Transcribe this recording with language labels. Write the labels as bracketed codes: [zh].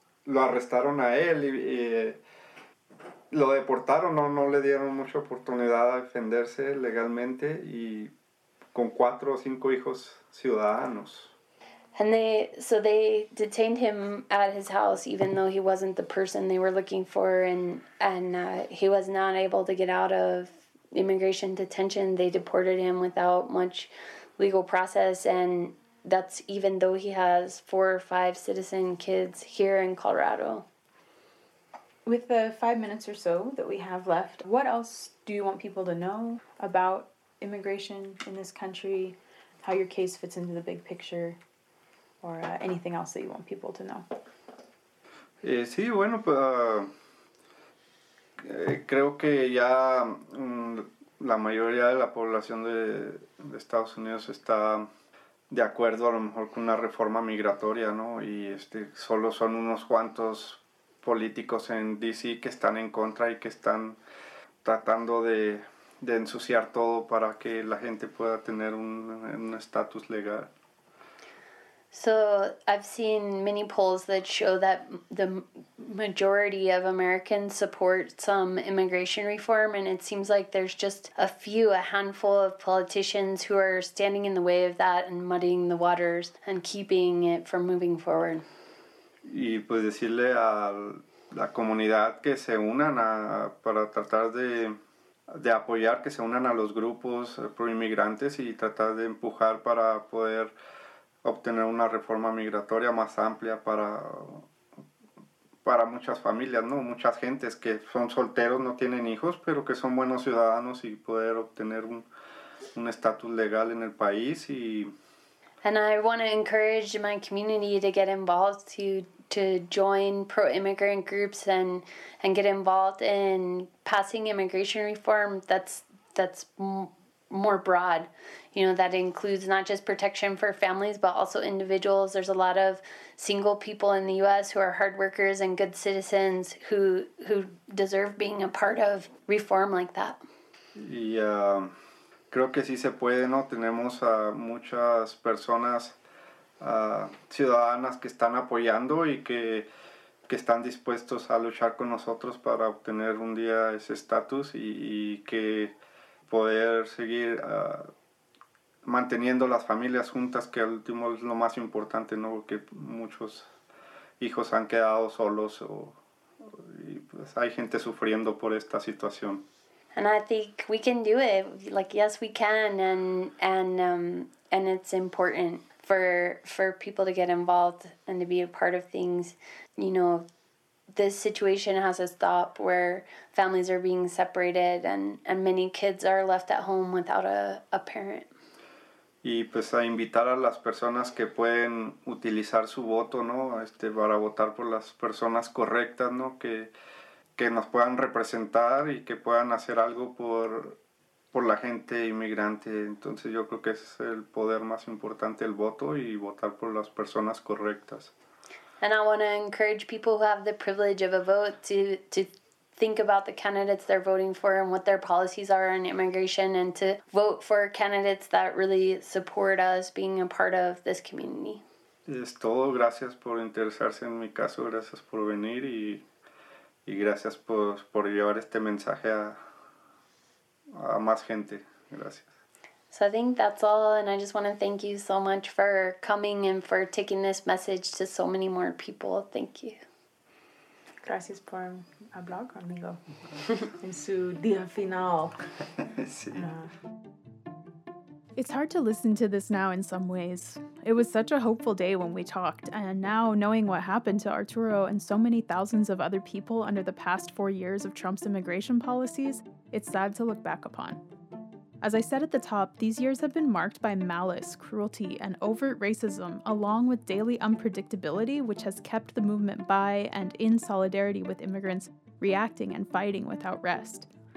[es] Lo arrestaron a él y lo deportaron, no le dieron mucha oportunidad a defenderse legalmente y con 4 or 5 hijos ciudadanos. [en] And they detained him at his house even though he wasn't the person they were looking for, and he was not able to get out of immigration detention. They deported him without much legal process, and that's even though he has 4 or 5 citizen kids here in Colorado. With the 5 minutes or so that we have left, what else do you want people to know about immigration in this country, how your case fits into the big picture, or anything else that you want people to know? [es] Sí, bueno, pues, creo que ya la mayoría de la población de Estados Unidos está de acuerdo a lo mejor con una reforma migratoria, ¿no? Y solo son unos cuantos políticos en D.C. que están en contra y que están tratando de ensuciar todo para que la gente pueda tener un estatus legal. [en] So I've seen many polls that show that the majority of Americans support some immigration reform, and it seems like there's just a handful of politicians who are standing in the way of that and muddying the waters and keeping it from moving forward. [es] Y pues decirle a la comunidad que se unan para tratar de apoyar, que se unan a los grupos pro-inmigrantes y tratar de empujar para poder obtener una reforma migratoria más amplia para muchas familias, ¿no? Muchas gentes que son solteros, no tienen hijos, pero que son buenos ciudadanos y poder obtener un estatus legal en el país. Y [en] And I want to encourage my community to get involved, to join pro-immigrant groups and get involved in passing immigration reform that's more broad, you know, that includes not just protection for families, but also individuals. There's a lot of single people in the U.S. who are hard workers and good citizens who deserve being a part of reform like that. [es] Y creo que sí se puede, ¿no? Tenemos a muchas personas ciudadanas que están apoyando y que están dispuestos a luchar con nosotros para obtener un día ese estatus y que poder seguir manteniendo las familias juntas, que al último es lo más importante, ¿no? Porque muchos hijos han quedado solos y pues hay gente sufriendo por esta situación. [en] And I think we can do it. Like, yes, we can. And it's important for people to get involved and to be a part of things. You know, this situation has to stop, where families are being separated and many kids are left at home without a parent. [es] Y pues a invitar a las personas que pueden utilizar su voto, ¿no? Para votar por las personas correctas, ¿no? Que nos puedan representar y que puedan hacer algo por la gente inmigrante. Entonces yo creo que ese es el poder más importante, el voto, y votar por las personas correctas. [en] And I want to encourage people who have the privilege of a vote to think about the candidates they're voting for and what their policies are on immigration, and to vote for candidates that really support us being a part of this community. [es] Es todo. Gracias por interesarse en mi caso. Gracias por venir y gracias por llevar este mensaje a más gente. Gracias. [en] So I think that's all, and I just want to thank you so much for coming and for taking this message to so many more people. Thank you. [es] Gracias por hablar conmigo en su día final. Sí. [en] It's hard to listen to this now in some ways. It was such a hopeful day when we talked, and now knowing what happened to Arturo and so many thousands of other people under the past 4 years of Trump's immigration policies, it's sad to look back upon. As I said at the top, these years have been marked by malice, cruelty, and overt racism, along with daily unpredictability, which has kept the movement by and in solidarity with immigrants, reacting and fighting without rest.